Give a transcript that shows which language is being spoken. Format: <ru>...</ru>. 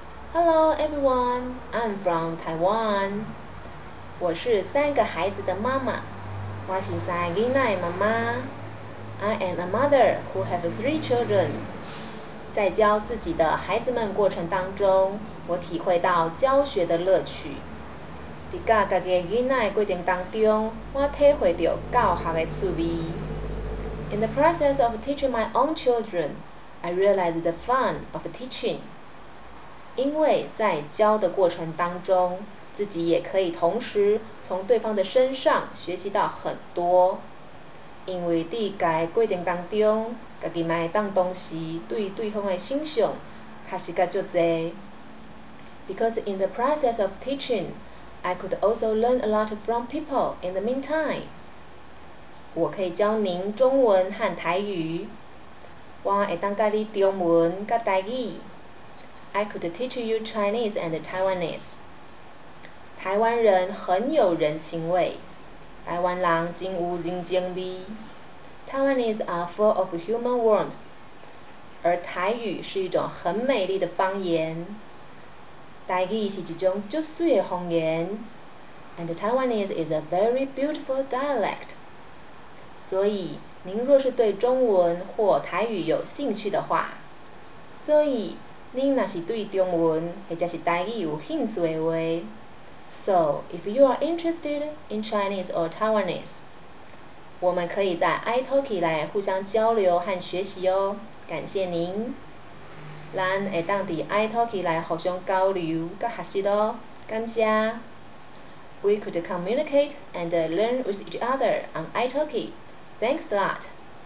<en>Hello everyone, I'm from Taiwan.</en> <zh>我是三个孩子的妈妈。我是三个囡仔的妈妈。</zh> <en>I am a mother who have three children.</en> <zh>在教自己的孩子们过程当中，我体会到教学的乐趣。在教自己的囡仔的过程当中，我体会到教学的趣味。</zh> <en>In the process of teaching my own children, I realized the fun of teaching.</en> <zh>因为在教的过程当中，自己也可以同时从对方的身上学习到很多。因为在教的过程当中，自己也可以同时对对方的欣赏学习到很多。</zh> <en>Because in the process of teaching, I could also learn a lot from people in the meantime.</en> <zh>我可以教您中文和台语。我可以教你中文和台语。</zh> <en>I could teach you Chinese and Taiwanese.</en> <zh>台湾人很有人情味，台湾人真有人情味。</zh> <en>Taiwanese are full of human warmth.</en> <zh>而台语是一种很美丽的方言。台语是一种很漂亮的方言。</zh> <en>And Taiwanese is a very beautiful dialect.</en> <zh>所以，您若是对中文或台语有兴趣的话，所以您若是对中文或者是台语有兴趣的话，</zh> <en>So, if you are interested in Chinese or Taiwanese,</en> <zh>我们可以在 iTalki 来互相交流和学习哦。感谢您，咱会当在 iTalki 来互相交流和学习哦。感谢。</zh> <en>We could communicate and learn with each other on iTalki. Thanks a lot.</en>